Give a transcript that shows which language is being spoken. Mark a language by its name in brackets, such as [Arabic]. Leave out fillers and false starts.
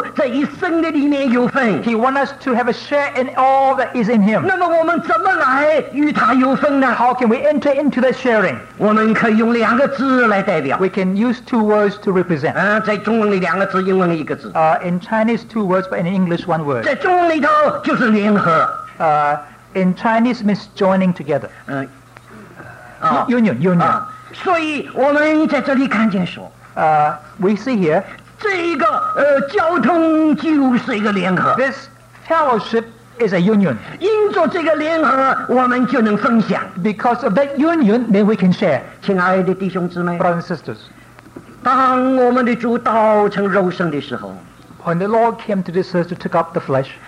[Chinese] 神要我们在我们的主耶稣这一生的里面有份, [English] he want us to have a share in all that is in him. [Chinese] 那么我们怎么来与他有份呢? [English] How can we enter into that sharing? [Chinese] 我们可以用两个字来代表, [English] we can use two words to represent. [Chinese] 在中文里两个字，英文一个字。 [English] In Chinese, two words, but in English, one word. [Chinese] 在中文里头就是联合。 [English] In Chinese, means joining together. Union. [Chinese] 所以我们在这里看见说, [English] we see here, [Chinese] 这一个交通就是一个联合。 [English] This fellowship is a union. [Chinese] 因着这个联合，我们就能分享。 [English] Because of that union, then we can share. [Chinese] 亲爱的弟兄姊妹, [English] brothers and sisters, [Chinese] 当我们的主道成肉身的时候, [English] when the Lord came to this earth to take up the flesh,